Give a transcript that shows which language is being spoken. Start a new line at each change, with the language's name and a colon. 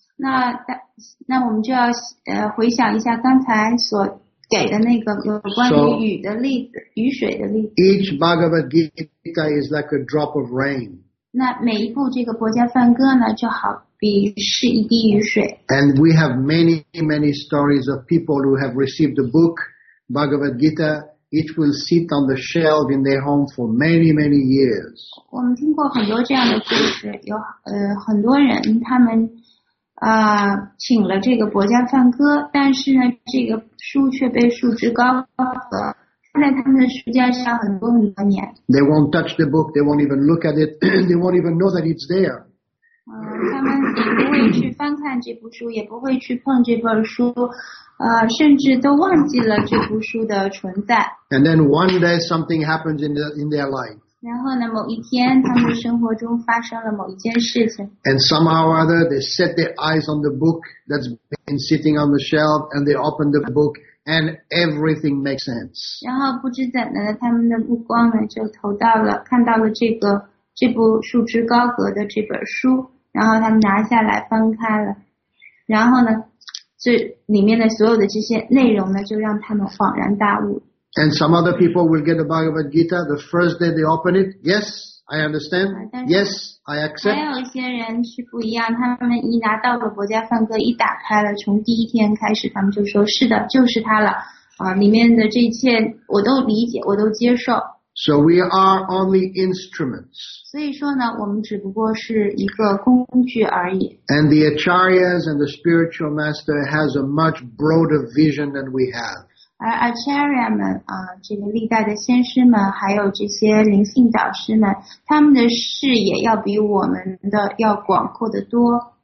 Chinese: 那我们就要回想一下刚才所给的那个有关于雨的例子， so, 雨水的例子。
English: Each Bhagavad Gita is like a drop of rain.
Chinese: 那每一部这个佛家梵歌呢，就好比是一滴雨水。
English: And we have many many stories of people who have received the book Bhagavad Gita. It will sit on the shelf in their home for many, many years.
Chinese: 我们听过很多这样的故事，有很多人他们请了这个佛家梵歌，但是呢，这个书却被束之高阁，放在他们的书架上很多很多年。
English: They won't touch the book. They won't even look at it. They won't even know that it's there.
Chinese: 他们也不会去翻看这部书，也不会去碰这本书。甚至都忘记了这部书的存在。
English: And then one day something happens in their life.
Chinese: 然后呢，某一天他们生活中发生了某一件事情。
English: And somehow or other they set their eyes on the book that's been sitting on the shelf and they open the book and everything makes sense.
Chinese: 然后不知怎的，他们的目光呢就投到了看到了这部束之高阁的这本书，然后他们拿下来翻开了，然后呢。所以里面的所有的这些内容呢，就让他们恍然大悟。
English: And some other people will get the Bhagavad Gita the first day they open it. Yes, I understand. Yes, I accept.
Chinese: 还有一些人是不一样，他们一拿到了佛家梵歌，一打开了，从第一天开始，他们就说是的，就是它了。里面的这一切我都理解，我都接受。
English: So we are only instruments.
Chinese: 所以说呢，我们只不过是一个工具而已。
English: And the acharyas and the spiritual master has a much broader vision than we have.
Chinese: 而 acharya 们啊，这个历代的先师们，还有这些灵性导师们，他们的视野要比我们的要广阔得多。